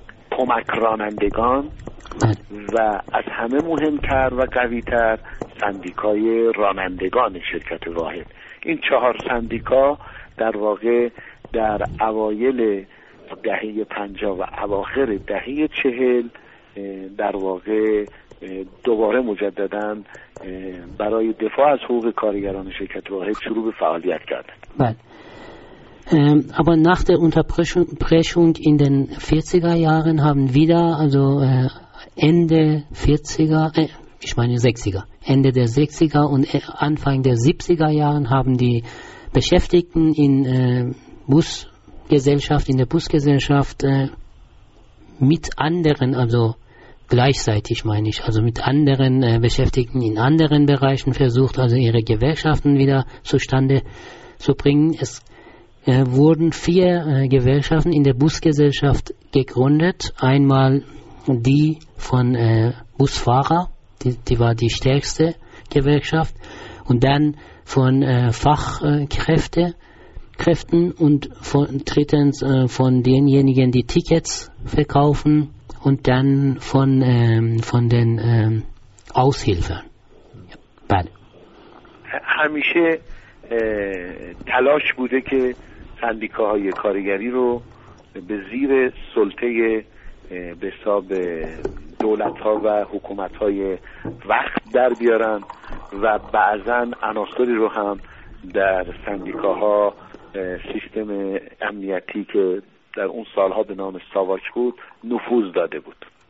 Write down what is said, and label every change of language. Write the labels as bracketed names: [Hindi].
[Persian] کمک رانندگان و از همه مهمتر و قویتر سندیکای رانندگان شرکت واحد، این 4 سندیکا در واقع در اوایل دهه 50 و اواخر دهه 40 در واقع دوباره مجددن برای دفاع از حقوق کارگران شرکت واحد شروع به فعالیت کردن. بله. [German] Aber nach der Unterbrechung in den 40er Jahren haben wieder, also Ende 40er, ich meine 60er, Ende der 60er und Anfang der 70er Jahren haben die Beschäftigten in Busgesellschaft, in der Busgesellschaft mit anderen, also gleichzeitig meine ich, also mit anderen Beschäftigten in anderen Bereichen versucht, also ihre Gewerkschaften wieder zustande zu bringen. Es wurden 4 Gewerkschaften in der Busgesellschaft gegründet. Einmal die von Busfahrer, die war die stärkste Gewerkschaft. Und dann von Fachkräften und drittens von denjenigen, die Tickets verkaufen, und dann von den Aushilfen. [Persian] همیشه تلاش بوده که سندیکاهای کارگری رو به زیر سلطه به حساب دولت‌ها و حکومت‌های وقت در بیارن و بعضن عناصری رو هم در سندیکاها سیستم امنیتی که در اون سالها به نام ساواک بود نفوذ داده بود.